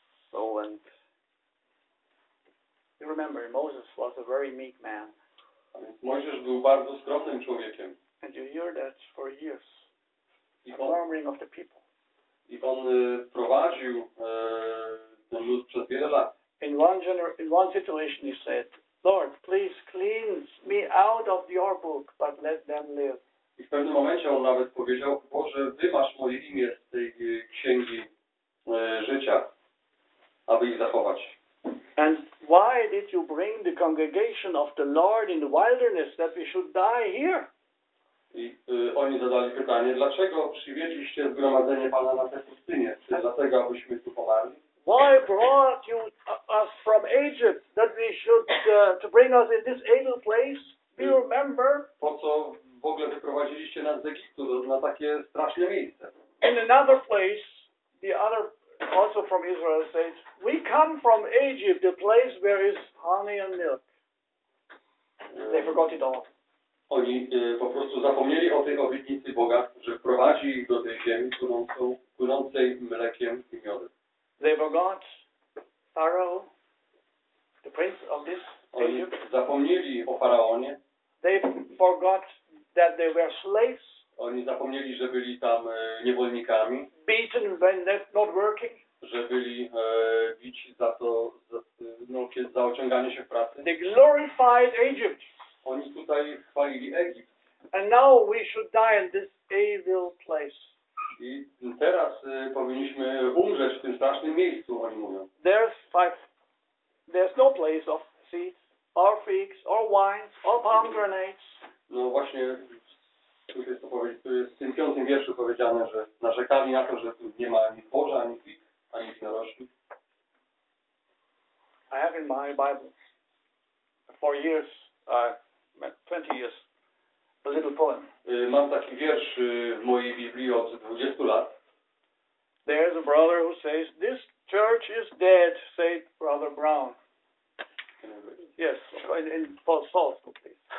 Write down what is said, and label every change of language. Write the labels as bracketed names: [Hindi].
[English] So and you remember, Moses was a very meek man. [Polish] A więc Mojżesz był bardzo skromnym człowiekiem. [English] And you hear that for years. The murmuring of the people. [Polish] I on prowadził ten lud przez wiele lat. [English] In one situation he said, Lord, please cleanse me out of your book, but let them live. [Polish] I w pewnym momencie on nawet powiedział, Boże, wymasz moje imię z tej księgi życia, aby ich zachować. [English] And why did you bring the congregation of the Lord in the wilderness that we should die here? [Polish] I oni zadali pytanie, dlaczego przywieźliście zgromadzenie Pana na tę pustynię? Czy dlatego, abyśmy tu pomarli? [English] Why brought you us from Egypt that we should to bring us in this evil place? Do you remember? [Polish] Po co w ogóle wyprowadziliście nas z Egiptu na takie straszne miejsce? [English] In another place, the other also from Israel says, we come from Egypt, the place where is honey and milk. They forgot it all. [Polish] Oni po prostu zapomnieli o tej obietnicy Boga, że wprowadzi ich do tej ziemi płynącą, płynącej mlekiem i miodem. [English] They forgot Pharaoh, the prince of this [Polish] Egypt. Oni zapomnieli o Faraonie. [English] They forgot that they were slaves. [Polish] Oni zapomnieli, że byli tam niewolnikami. [English] Beaten when that not working. [Polish] Że byli bici za to, za ociąganie się w pracy. [English] They glorified Egypt. [Polish] Oni tutaj chwalili Egipt. [English] And now we should die in this evil place. [Polish] I teraz powinniśmy umrzeć w tym strasznym miejscu, oni mówią. [English] There's no place of seeds, or figs, or wines, or pomegranates. [Polish] No właśnie, tu jest to powiedzieć, tu jest w tym piątym wierszu powiedziane, że narzekali na to, że tu nie ma ani zboża, ani fig, ani winorośli. [English] I have in my Bible for years, 20 years, a little poem. [Polish] Mam taki wiersz w mojej Biblii od 20 lat. [English] There is a brother who says, this church is dead, said Brother Brown. Yes, in Paul's book, please.